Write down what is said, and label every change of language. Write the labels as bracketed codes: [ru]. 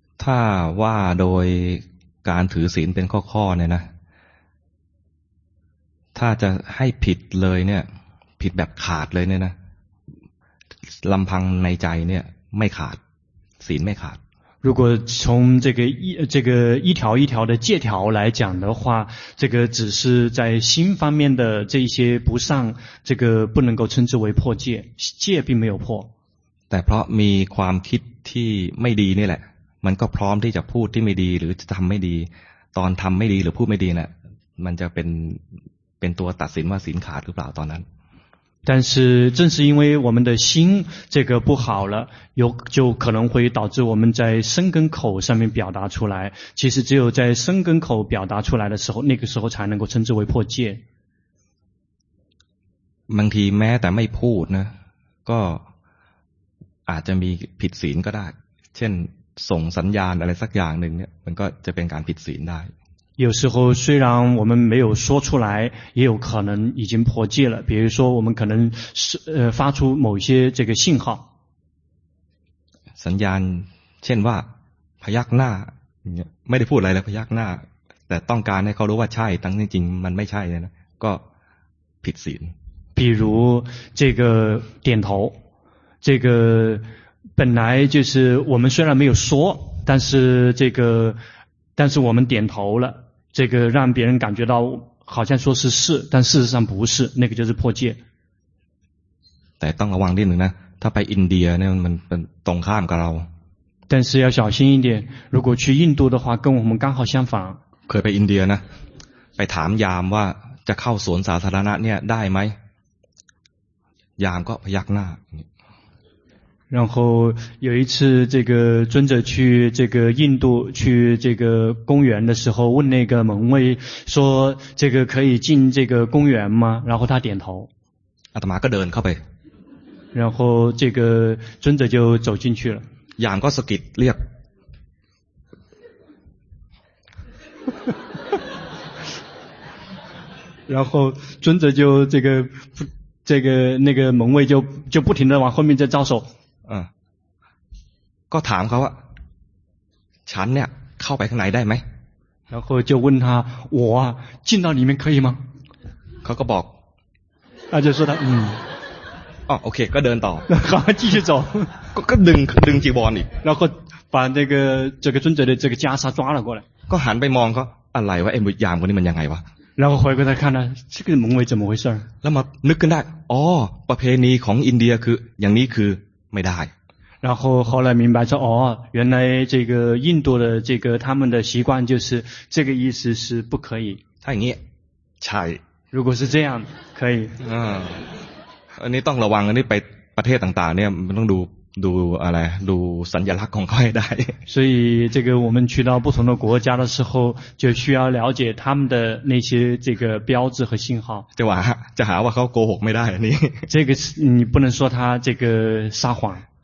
[th] าว่าโดยการถือศีลเป็นข้อๆเนี่ยนะถ้าจะให้ผิดเลยเนี่ยผิดแบบขาดเลยเนี่ยนะลำพังในใจเนี่ยไม่ขาดศีลไม่ขาด [zh] 如果从这个一条一条的戒条来讲的话，这个只是在心方面的这些不善，这个不能够称之为破戒，戒并没有破。 [th] แต่เพราะมีความคิดที่ไม่ดีนี่แหละมันก็พร้อมที่จะพูดที่ไม่ดีหรือจะทำไม่ดีตอนทำไม่ดีหรือพูดไม่ดีเนี่ยมันจะเป็นตัวตัดสินว่าศีลขาดหรือเปล่าตอนนั้น [zh] 但是正是因为我们的心这个不好了有就可能会导致我们在身根口上面表达出来其实只有在身根口表达出来的时候那个时候才能够称之为破戒 [th] บางทีแม้แต่ไม่พูดนะก็อาจจะมีผิดศีลก็ได้เช่นส่งสัญญาณอะไรสักอย่างหนึ่งเนี่ยมันก็จะเป็นการผิดศีลได้ [zh] 有时候虽然我们没有说出来也有可能已经破戒了比如说我们可能是发出某些这个信号 [th] สัญญาณเช่นว่าพยักหน้าไม่ได้พูดอะไรเลยพยักหน้าแต่ต้องการให้เขารู้ว่าใช่ตั้งจริงมันไม่ใช่นะก็ผิดศีล [zh] 比如这个点头这个本来就是我们虽然没有说但是我们点头了这个让别人感觉到好像说是是但事实上不是那个就是破戒 [th] แต่ต้องระวังนิดนึงนะถ้าไปอินเดียเนี่ยมันตรงข้ามกับเรา [zh] 但是要小心一点如果去印度的话跟我们刚好相反 [th] เคยไปอินเดียนะไปถามยามว่าจะเข้าสวนสาธารณะเนี่ยได้ไหมยามก็พยักหน้า [zh] 然后有一次这个尊者去这个印度去这个公园的时候问那个门卫说这个可以进这个公园吗然后他点头 [th] อาตมาก็เดินเข้าไป [zh] 然后这个尊者就走进去了 [th] ยามก็สะกิดเรียก [zh] 然后尊者就这个那个门卫就不停地往后面再招手 [th] ก็ถามเขาว่าฉันเนี่ยเข้าไปข้างในได้ไหมแ [zh] ล้วก็就问他我进到里面可以吗 [th] เขาก็บอก เขาจะ [zh] 说他嗯哦 [th] OK ก็เดินต่อ แล้วก็ [zh] 继续走 [th] ก็ดึงจีวรอีก แล้วก็ [zh] 把那个这个尊者的这个袈裟抓了过来 [th] ก็หันไปมองเขาอะไรวะไอ้มุยามคนนี้มันยังไงวะ แล้วก็ [zh] 回过来看他这个蒙为怎么回事 [th] แล้วมานึกขึ้นได้อ๋อประเพณีของอินเดียคืออย่างนี้คือไม่ได้ [zh] 然后后来明白说哦原来这个印度的这个他们的习惯就是这个意思是不可以 [th] ถ้าอย่างนี้ใช่ [zh] 如果是这样可以 [th] อันนี้ต้องระวังอันนี้ไปประเทศต่างๆเนี่ยมันต้องดูอะไรดูสัญลักษณ์ของเขาให้ได้ [zh] 所以这个我们去到不同的国家的时候就需要了解他们的那些这个标志和信号 [th] จะหาว่าเขาโกหกไม่ได้อันนี้ [zh] 这个你不能说他这个撒谎